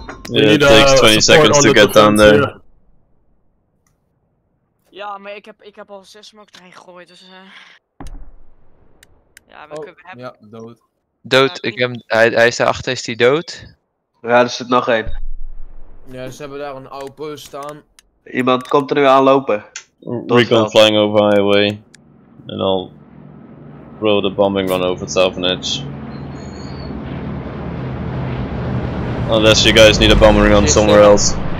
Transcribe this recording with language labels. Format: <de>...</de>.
<en>Yeah, it takes 20 seconds to get down there.</en> <nl>Ja, maar ik heb al 6 smokes erin gegooid, dus ja, we hebben... Ja, dood. Dood, hij is daarachter, is hij dood? Ja, er zit nog één. Ja, ze hebben daar een oude staan. Iemand komt er nu aan lopen.</nl> <en>Recon flying over highway, and I'll throw the bombing run over Southern Edge. Unless you guys need a bombing run somewhere else.</en>